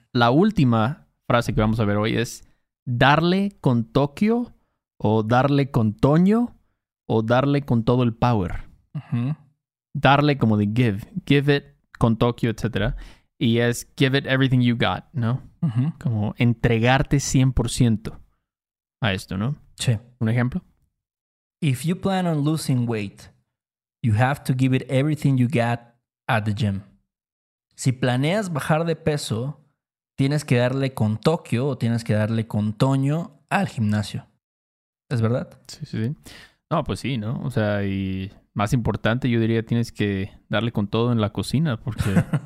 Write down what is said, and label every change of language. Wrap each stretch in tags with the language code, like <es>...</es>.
<es>La última frase que vamos a ver hoy es darle con Tokio, o darle con Toño, o darle con todo el power. Uh-huh. Darle como de give.</es> <en>Give it</en> <es>con Tokio, etcétera. Y es</es> <en>give it everything you got,</en> <es>¿no? Uh-huh. Como entregarte 100% a esto, ¿no? Sí. ¿Un ejemplo?</es> <en>If you plan on losing weight, you have to give it everything you got at the gym.</en> <es>Si planeas bajar de peso, tienes que darle con Tokio o tienes que darle con Toño al gimnasio. ¿Es verdad? Sí, sí, sí. No, pues sí, ¿no? O sea, y más importante, yo diría, tienes que darle con todo en la cocina porque...</es>